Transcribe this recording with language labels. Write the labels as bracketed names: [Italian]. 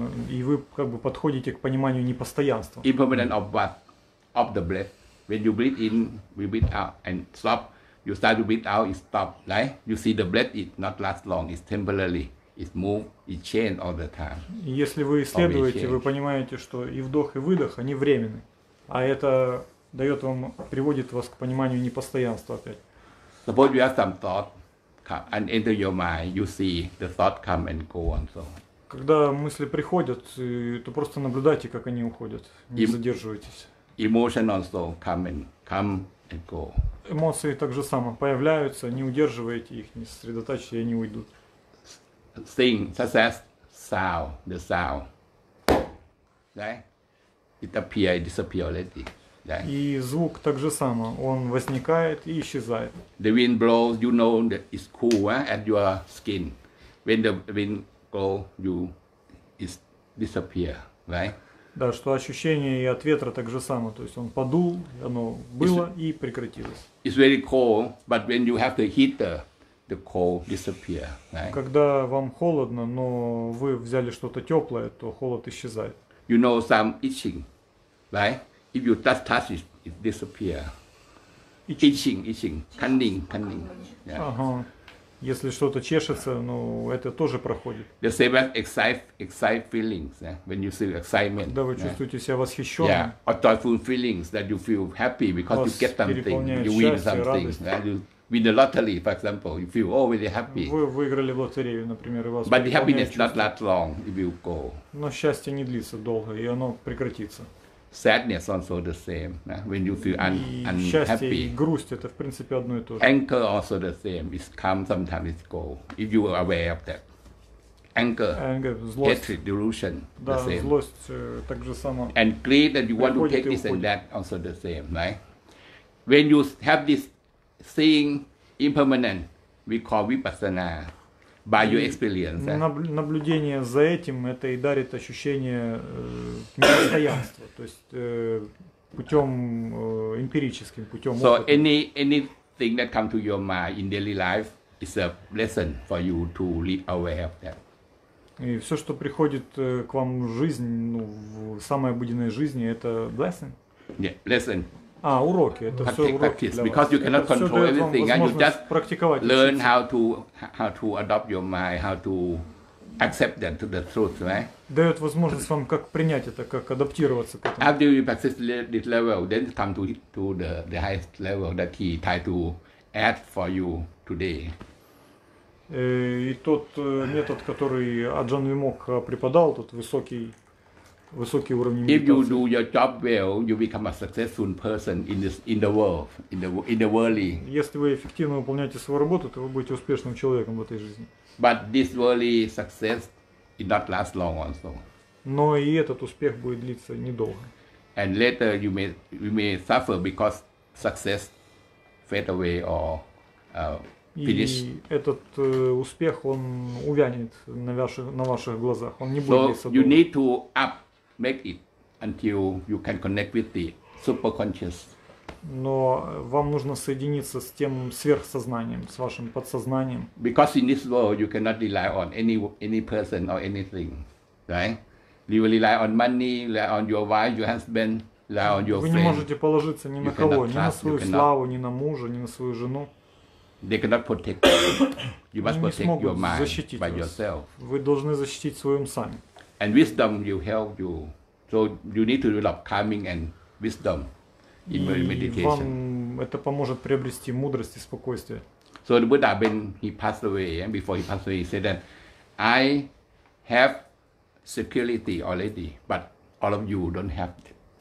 [Russian] И вы как бы подходите к пониманию непостоянства. [English] Impermanent of what? Of the breath. When you breathe in, you breathe out and stop. You start to breathe out, it stop, right? You see the breath, it not last long, it's temporarily. It move, it change all the time. [Russian] Если вы исследуете, вы понимаете, что и вдох, и выдох, они временны. А это дает вам, приводит вас к пониманию непостоянства опять. [English] Suppose you have some thought come and enter your mind, you see the thought come and go and so. [Russian] Когда мысли приходят, то просто наблюдайте, как они уходят, не задерживайтесь. [English] Emotion also come and go. [Russian] Эмоции так же само появляются, не удерживайте их, не сосредотачивайте, они уйдут. [English] Thing, such as sound, the sound. Right? It appear, it disappear already. Right. [Russian] И звук так же само, он возникает и исчезает. [English] The wind blows, you know that it's cool, at your skin. When the wind goes, you is disappear, right? [Russian] Да, что ощущение и от ветра так же само, то есть он подул, оно было [English] it's, [Russian] и прекратилось. [English] It's very cold, but when you have the heater, the cold disappear, right? [Russian] Когда вам холодно, но вы взяли что-то теплое, то холод исчезает. [English] You know some itching, right? If you touch it, it disappear. Itching, cunning. Yeah. Uh-huh. [Russian] Если что-то чешется, ну, это тоже проходит. [English] The same as excite feelings, yeah? When you see excitement. [Russian] Когда вы чувствуете себя восхищенным. [English] Yeah. Or joyful feelings that you feel happy because you get something, you win something. Yeah? You win the lottery, for example, you feel really happy. [Russian] Вы выиграли в лотерею, например, и вас. [English] But the happiness not last long, it will go. [Russian] Но счастье не длится долго, и оно прекратится. [English] Sadness also the same. Yeah? When you feel unhappy. [Russian] И грусть это в принципе одно и то же. [English] Anger also the same. It comes sometimes, it go. If you are aware of that, anger, [Russian] злость, [English] hatred, delusion, [Russian] да, [English] the same. [Russian] Злость, так же само. [English] And greed that you want to take this and that also the same, right? When you have this thing impermanent, we call vipassana by your experience. [Russian] Наблюдение за этим это и дарит ощущение непостоянства. То есть путем эмпирическим, путем опыта. [English] So anything that comes to your mind in daily life is a lesson for you to be aware of that. [Russian] И все, что приходит к вам в жизнь, ну, в самой обыденной жизни, это [English] blessing. Yeah, lesson. [Russian] А, уроки, это все уроки для вас. [English] Because you cannot control everything, and you just [Russian] практиковать, [English] learn how to adopt your mind, how to accept that to the truth, right? [Russian] Дает возможность вам как принять это, как адаптироваться к этому. [English] After you pass this level, then come to the highest level that he tried to add for you today. [Russian] И тот метод, который Аджан Вимокха преподал, тот высокий уровень медитации. [English] If you do your job well, you become a successful person in the world. [Russian] Если вы эффективно выполняете свою работу, то вы будете успешным человеком в этой жизни. [English] But this worldly success it not last long also. [Russian] Но и этот успех будет длиться недолго. [English] And later you may suffer because success fade away or finish. [Russian] И этот успех он увянет на ваших глазах. Он не будет длиться долго. [English] So you need to up make it until you can connect with the superconscious. [Russian] Но вам нужно соединиться с тем сверхсознанием, с вашим подсознанием. [English] Because in this world you cannot rely on any person or anything, right? You rely on money, rely on your wife, your husband, rely on your friend. [Russian] Вы не можете положиться ни на кого, ни на свою славу, ни на мужа, ни на свою жену. [English] They cannot protect you. You must protect your mind by yourself. [Russian] Вы должны защитить свой ум сами. [English] And wisdom will help you. So you need to develop calming and wisdom in meditation. [Russian] И вам это поможет приобрести мудрость и спокойствие. [English] So the Buddha, when he passed away, and before he passed away, he said that I have security already, but all of you don't have it.